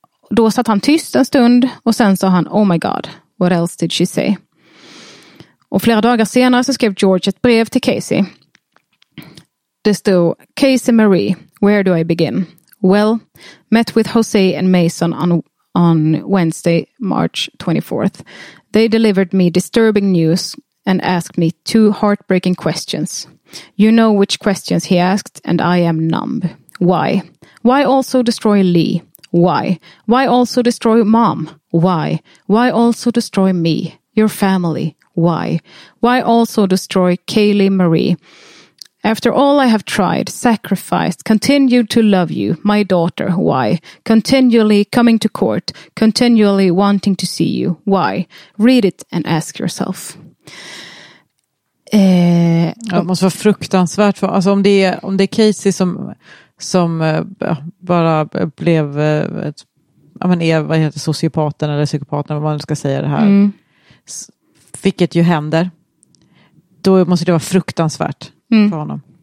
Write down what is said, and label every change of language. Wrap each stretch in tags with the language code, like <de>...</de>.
<sv>Då satt han tyst en stund och sen sa han,</sv> <en>oh my god, what else did she say?</en> <sv>Och flera dagar senare så skrev George ett brev till Casey. Det stod,</sv> <en>Casey Marie, where do I begin? Well, met with Jose and Mason on Wednesday, March 24th. They delivered me disturbing news and asked me 2 heartbreaking questions. You know which questions he asked and I am numb. Why? Why also destroy Lee? Why? Why also destroy mom? Why? Why also destroy me? Your family? Why? Why also destroy Kaylee Marie? After all I have tried, sacrificed, continued to love you, my daughter, why? Continually coming to court, continually wanting to see you, why? Read it and ask yourself.</en> <sv>Det måste vara fruktansvärt. För, alltså om det är Casey som bara blev ett, ja men är, vad heter sociopaten eller psykopaten, vad man ska säga det här, fick ett ju händer, då måste det vara fruktansvärt för honom.</sv>